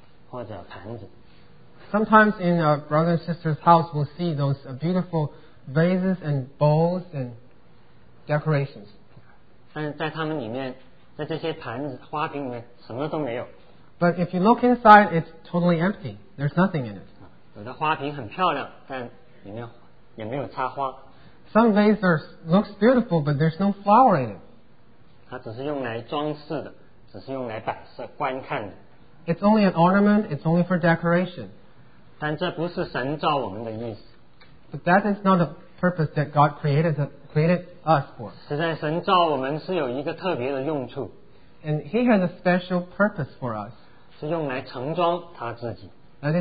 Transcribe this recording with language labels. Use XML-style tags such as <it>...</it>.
<zh>许多时候我们在弟兄姊妹们的家里可以看到很多很漂亮的花瓶或者碗或者盘子。</zh> <en>Sometimes in a brother and sister's house we'll see those beautiful vases and bowls and decorations.</en> <zh>但是在他们里面，在这些盘子、花瓶里面什么都没有。</zh> <en>But if you look inside, it's totally empty. There's nothing in it.</en> <zh>有的花瓶很漂亮，但里面也没有插花。</zh> <en>Some vases look beautiful, but there's no flower in it.</en> <zh>它只是用来装饰的，只是用来摆设观看的。</zh> <en>It's only an ornament. It's only for decoration.</en> <zh>但这不是神造我们的意思。</zh> <en>But that is not the purpose that God created us for.</en> <zh>实在神造我们是有一个特别的用处。</zh> <en>And He has a special purpose for us.</en> <zh>是用来盛装他自己。</zh> <en>That</en>